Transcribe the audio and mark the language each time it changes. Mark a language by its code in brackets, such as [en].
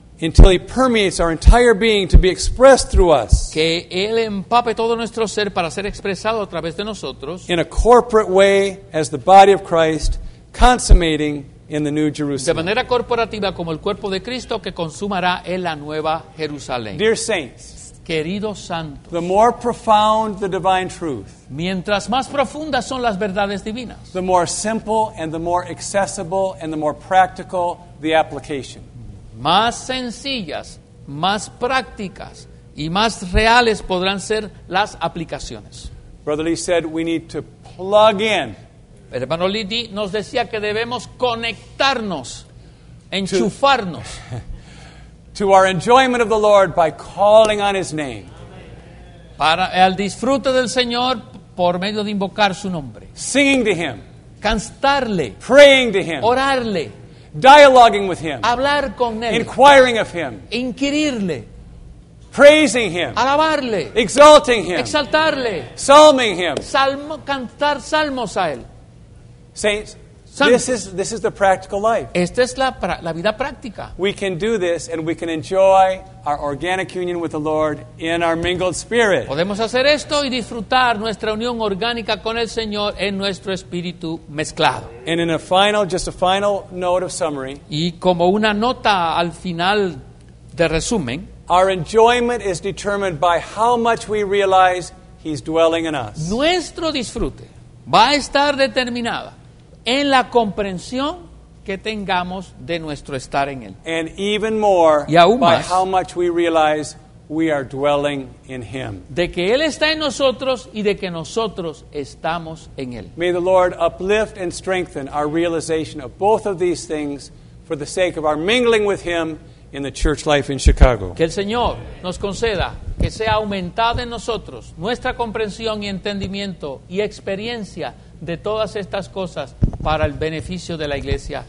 [en] Until he permeates our entire being to be expressed through us. [es] Que él empape todo nuestro ser para ser expresado a través de nosotros. [en] In a corporate way as the body of Christ consummating in the new Jerusalem. [es] De manera corporativa como el cuerpo de Cristo que consumará en la nueva Jerusalén. [en] Dear saints. [es] Queridos santos. [en] The more profound the divine truth. [es] Mientras más profundas son las verdades divinas. [en] The more simple and the more accessible and the more practical the application. [es] Más sencillas, más prácticas y más reales podrán ser las aplicaciones. [en] Brother Lee said we need to plug in. [es] El hermano Lee nos decía que debemos conectarnos, enchufarnos. [en] To our enjoyment of the Lord by calling on his name. [es] Para el disfrute del Señor por medio de invocar su nombre. [en] Singing to him. [es] Cantarle. [en] Praying to him. [es] Orarle. [en] Dialoguing with him. [es] Hablar con él. [en] Inquiring of him. [es] Inquirirle. [en] Praising him. [es] Alabarle. [en] Exalting him. [es] Exaltarle. [en] Psalming him. [es] Salmo, cantar salmos a él. [en] Saints, this is the practical life. [es] Esta es la vida práctica. [en] We can do this and we can enjoy our organic union with the Lord in our mingled spirit. [es] Podemos hacer esto y disfrutar nuestra unión orgánica con el Señor en nuestro espíritu mezclado. [en] And in a final, just a final note of summary. [es] Y como una nota al final de resumen. [en] Our enjoyment is determined by how much we realize he's dwelling in us. [es] Nuestro disfrute va a estar determinada en la comprensión que tengamos de nuestro estar en él. [en] And even more, [es] y aún más, [en] by how much we realize we are dwelling in him. [es] De que él está en nosotros y de que nosotros estamos en él. [en] May the Lord uplift and strengthen our realization of both of these things for the sake of our mingling with him in the church life in Chicago. [es] Que el Señor nos conceda que sea aumentada en nosotros nuestra comprensión y entendimiento y experiencia de todas estas cosas para el beneficio de la iglesia.